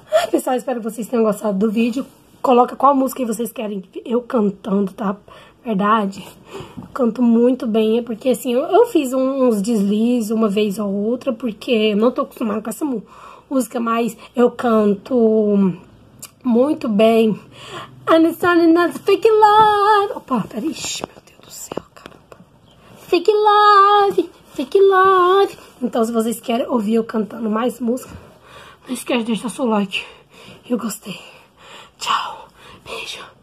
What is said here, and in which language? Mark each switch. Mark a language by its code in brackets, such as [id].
[pt] Pessoal, espero que vocês tenham gostado do vídeo. Coloca qual música vocês querem eu cantando, tá? Verdade? Eu canto muito bem, é porque, assim, eu fiz uns deslizes uma vez ou outra, porque eu não tô acostumada com essa música, mas eu canto... Muito bem. [en] And it's not enough, fake love. [pt] Opa, peraí. Ixi, meu Deus do céu, caramba. [en] Fake love, fake love. [pt] Então, se vocês querem ouvir eu cantando mais música, não esquece de deixar seu like. Eu gostei. Tchau. Beijo.